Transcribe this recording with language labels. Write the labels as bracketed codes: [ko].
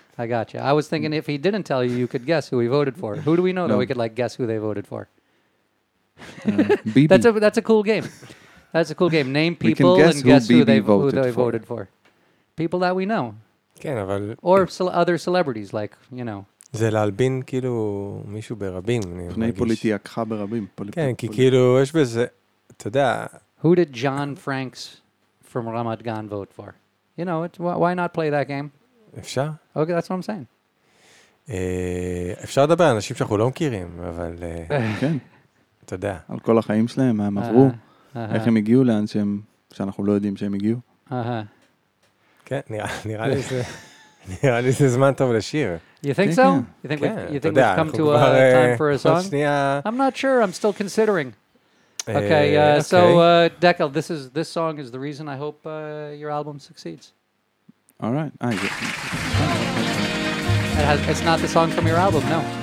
[en] I got you. I was thinking if he didn't tell you, you could guess who he voted for. Who do we know that we could like guess who they voted for? BB. That's a cool game. That's a cool game. Name people guess and guess who they voted, who they voted for. People that we know. [he] כן, אבל... [en] Or other celebrities, like, you know. [he] זה להלבין כאילו מישהו ברבים. פני פוליטיקה ברבים. כן, כי כאילו יש בזה, אתה יודע... [en] Who did John Franks from Ramat Gan vote for? You know, why not play that game? [he] אפשר? [en] Okay, that's what I'm saying. [he] אפשר לדבר על אנשים שאנחנו לא מכירים, אבל... כן. אתה יודע. על כל החיים שלהם, הם עברו. איך הם הגיעו לאן שהם... שאנחנו לא יודעים שהם הגיעו. אהה. כן, נראה לי זה זמן טוב לשיר. [en] You think so? You think we've come to a time for a song? I'm not sure. I'm still considering. Okay, so Dekel, this song is the reason I hope your album succeeds. All right. It's not the song from your album, no.